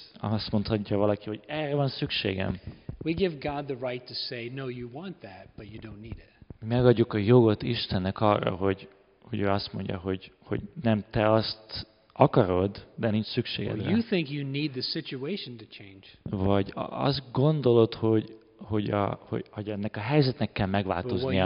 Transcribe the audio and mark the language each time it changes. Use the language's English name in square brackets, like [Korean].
[Hungarian] Azt mondhatja valaki, hogy erre van szükségem. [English] We give God the right to say, no, you want that, but you don't need it. [Hungarian] Megadjuk a jogot Istennek arra, hogy ő azt mondja, hogy nem te azt akarod, de nincs szükséged. [English] Well, you think you need the situation to change. [Hungarian] Vagy azt gondolod, hogy ennek a helyzetnek kell megváltoznia.